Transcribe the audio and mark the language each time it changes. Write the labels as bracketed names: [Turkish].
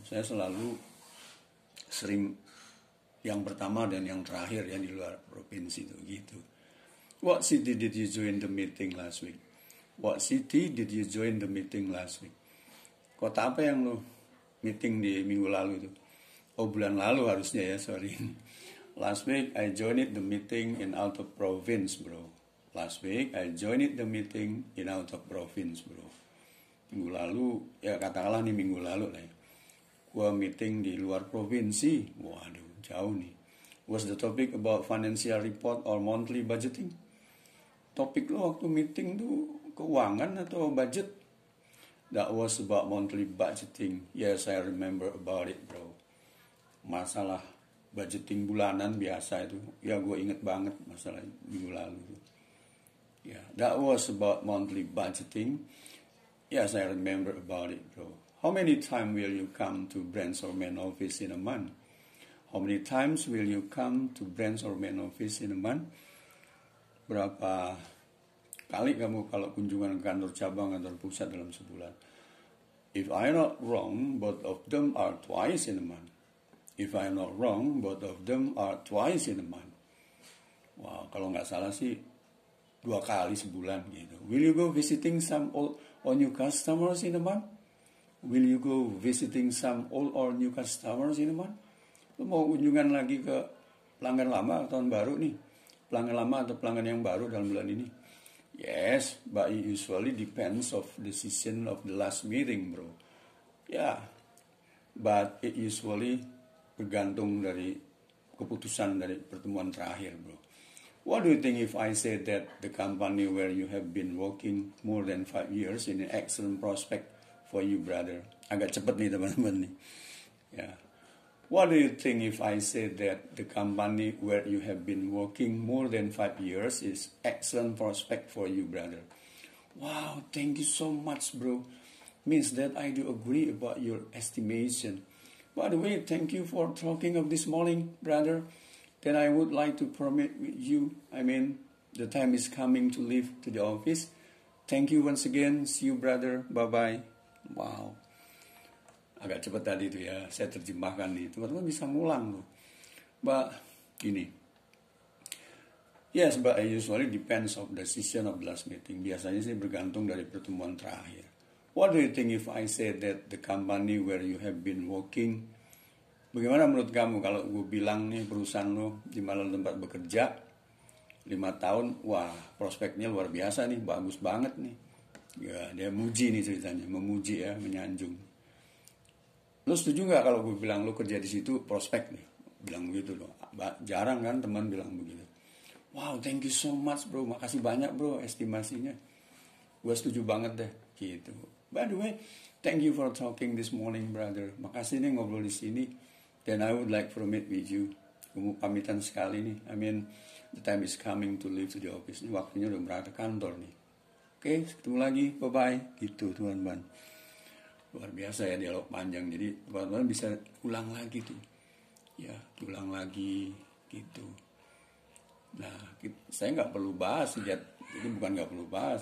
[Indonesian] Saya selalu sering yang pertama dan yang terakhir yang di luar provinsi itu gitu. [English] What city did you join the meeting last week? What city did you join the meeting last week? [Indonesian] Kota apa yang lo meeting di minggu lalu itu? Oh, bulan lalu harusnya ya, sorry. [English] Last week I joined the meeting in out of province, bro. Last week I joined the meeting in out of province, bro. [Indonesian] Minggu lalu, ya katakanlah nih minggu lalu lah ya. Gua meeting di luar provinsi. Waduh, jauh nih. [English] Was the topic about financial report or monthly budgeting? [Indonesian] Topik lo waktu meeting tuh keuangan atau budget? [English] That was about monthly budgeting. Yes, I remember about it, bro. [Indonesian] Masalah budgeting bulanan biasa itu. Ya, gue inget banget masalah minggu lalu. [English] Yeah, that was about monthly budgeting. Yes, I remember about it, bro. How many times will you come to Brands or Main office in a month? How many times will you come to Brands or Main office in a month? [Indonesian] Berapa kali kamu kalau kunjungan ke kantor cabang, kantor pusat dalam sebulan? [English] If I'm not wrong, both of them are twice in a month. If I'm not wrong, both of them are twice in a month. [Indonesian] Wah, kalau nggak salah sih, dua kali sebulan gitu. [English] Will you go visiting some old or new customers in a month? Will you go visiting some old or new customers in a month? [Indonesian] Lu mau kunjungan lagi ke pelanggan lama tahun baru nih? Pelanggan lama atau pelanggan yang baru dalam bulan ini? [English] Yes, but it usually depends of the season of the last meeting, bro. Yeah, but it usually [Indonesian] bergantung dari keputusan dari pertemuan terakhir, bro. [English] What do you think if I say that the company where you have been working more than 5 years is an excellent prospect for you, brother? [Indonesian] Agak cepat nih teman-teman nih. [English] Yeah. What do you think if I say that the company where you have been working more than 5 years is excellent prospect for you, brother? Wow, thank you so much, bro. Means that I do agree about your estimation. By the way, thank you for talking of this morning, brother. Then I would like to permit with you, I mean, the time is coming to leave to the office. Thank you once again. See you, brother. Bye-bye. Wow. [Indonesian] Agak cepat tadi itu ya, saya terjemahkan nih. Teman-teman bisa ngulang loh. But, gini. [English] Yes, but it usually depends on the season of the last meeting. [Indonesian] Biasanya sih bergantung dari pertemuan terakhir. [English] What do you think if I say that the company where you have been working? [Indonesian] Bagaimana menurut kamu kalau gue bilang nih perusahaan lo di mana tempat bekerja 5 tahun, wah prospeknya luar biasa nih, bagus banget nih. Ya, dia muji nih ceritanya, memuji ya, menyanjung. Lo setuju gak kalau gue bilang lo kerja di situ prospek nih? Bilang begitu loh. Jarang kan teman bilang begitu. [English] Wow, thank you so much bro. [Indonesian] Makasih banyak bro estimasinya. Gue setuju banget deh. Gitu. [English] By the way, thank you for talking this morning, brother. [Indonesian] Makasih nih ngobrol di sini. [English] Then I would like to meet with you. [Indonesian] Gue mau pamitan sekali nih. [English] I mean, the time is coming to leave to the office. [Indonesian] Ini waktunya udah berada kantor nih. Oke, ketemu lagi. Bye-bye. Gitu, teman-teman. Luar biasa ya dialog panjang. Jadi teman-teman bisa ulang lagi tuh. Ya, ulang lagi gitu. Nah, saya gak perlu bahas. Jadi bukan gak perlu bahas.